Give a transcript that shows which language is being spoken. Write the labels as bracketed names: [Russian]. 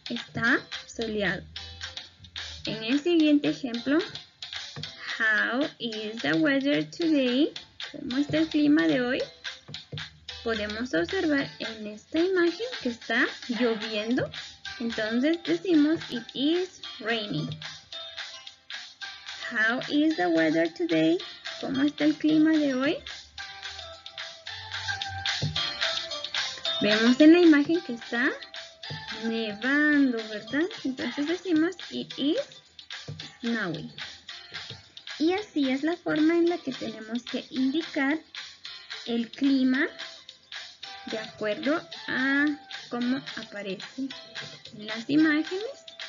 [Spanish] Está soleado. En el siguiente ejemplo, [English] How is the weather today? [Spanish] ¿Cómo está el clima de hoy? Podemos observar en esta imagen que está lloviendo. Entonces decimos, [English] It is raining. How is the weather today? [Spanish] ¿Cómo está el clima de hoy? Vemos en la imagen que está nevando, ¿verdad? Entonces decimos, [English] It is snowy. [Spanish] Y así es la forma en la que tenemos que indicar el clima de acuerdo a cómo aparecen las imágenes.